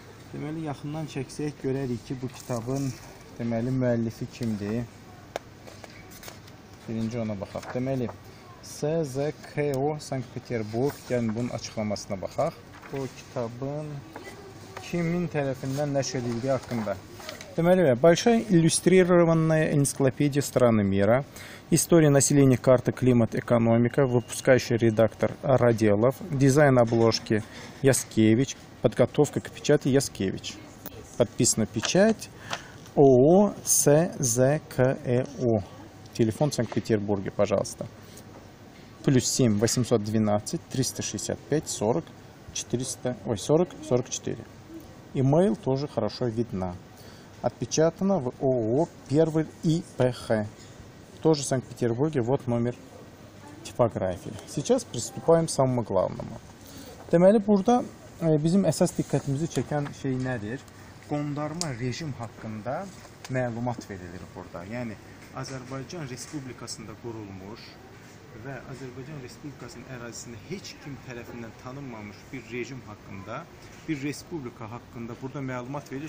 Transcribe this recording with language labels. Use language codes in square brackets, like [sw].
[az] Deməli, yaxından çəksək, görərik ki, bu kitabın deməli, müəllifi kimdir? Birinci ona baxaq. Deməli, SZKO Sankt-Peterburg, yəni bunun açıqlamasına baxaq. Bu kitabın kimin tərəfindən nəşr edildiyi haqqında. Deməli, [ru] Большая иллюстрированная энциклопедия страны мира, история населения, карта, климат, экономика, выпускающий редактор Раделов, дизайн обложки Яскевич, подготовка к печати Яскевич. Подписана печать ООО СЗКЭО. Телефон в Санкт-Петербурге, пожалуйста. +7 812 365 40 44. Имейл тоже хорошо видна. Отпечатано в ООО «Первый ИПХ». Тоже в Санкт-Петербурге. Вот номер типографии. Сейчас приступаем к самому главному. [az] Deməli, burada bizim əsas diqqətimizi çəkən şey nədir? Qondarma rejim haqqında məlumat verilir burada. Yəni, Azərbaycan Respublikasında qurulmuş və Azərbaycan Respublikasının ərazisində heç kim tərəfindən tanınmamış bir rejim haqqında, bir respublika haqqında burada məlumat verilir.